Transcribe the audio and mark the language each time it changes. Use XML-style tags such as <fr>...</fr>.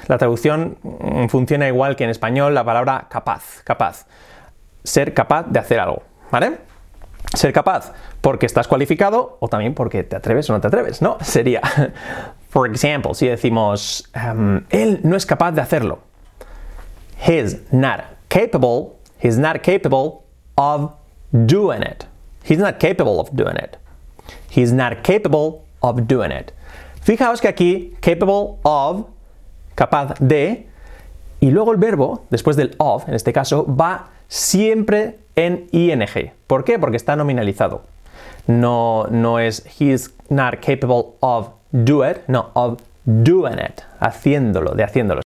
<es>La traducción funciona igual que en español, la palabra capaz, capaz. Ser capaz de hacer algo, ¿vale? Ser capaz porque estás cualificado o también porque te atreves o no te atreves, ¿no? Sería,</es> <en>for example,</en> <es>si decimos, él no es capaz de hacerlo.</es> <en>He's not capable of doing it. He's not capable of doing it. He's not capable of doing it.</en> <es>Fijaos que aquí,</es> <en>capable of,</en> <es>capaz de, y luego el verbo, después del of, en este caso, va siempre en ing. ¿Por qué? Porque está nominalizado. No es</es> <en>he's not capable of do it,</en> <es>no,</es> <en>of doing it,</en> <es>haciéndolo, de haciéndolo.</es>